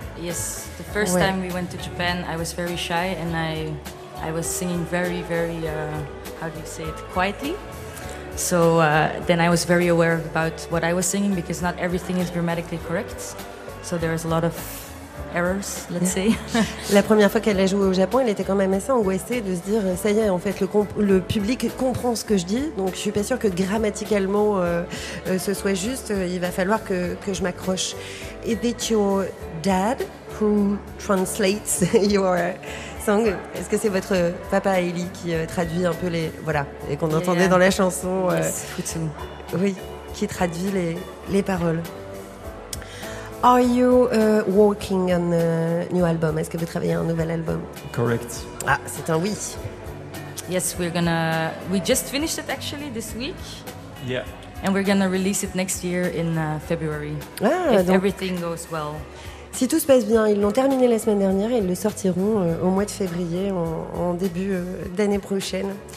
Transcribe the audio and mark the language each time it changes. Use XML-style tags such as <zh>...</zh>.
<en>Yes, the first time we went to Japan, I was very shy and I was singing very, very, how do you say it, quietly. So then I was very aware about what I was singing because not everything is grammatically correct. So there is a lot of errors, let's yeah. say.</en> <fr>La première fois qu'elle a joué au Japon, elle était quand même assez angoissée de se dire, ça y est, en fait, le public comprend ce que je dis, donc je suis pas sûre que grammaticalement ce soit juste, il va falloir que je m'accroche.</fr> <en>Is it your dad who translates your song?</en> <fr>Est-ce que c'est votre papa Eli qui traduit un peu les... Voilà, et qu'on entendait dans la chanson.</fr> <en>Yes, Futsu.</en> <fr>Oui, qui traduit les paroles.</fr> <en>Are you working on a new album?</en> <fr>Est-ce que vous travaillez un nouvel album?</fr> <en>Correct.</en> <fr>Ah, c'est un oui.</fr> <en>Yes, we're gonna... We just finished it actually this week. Yeah. And we're gonna release it next year in February. Ah, if</en> <fr>donc,</fr> <en>everything goes well.</en> <fr>Si tout se passe bien, ils l'ont terminé la semaine dernière et ils le sortiront au mois de février, en début d'année prochaine.</fr>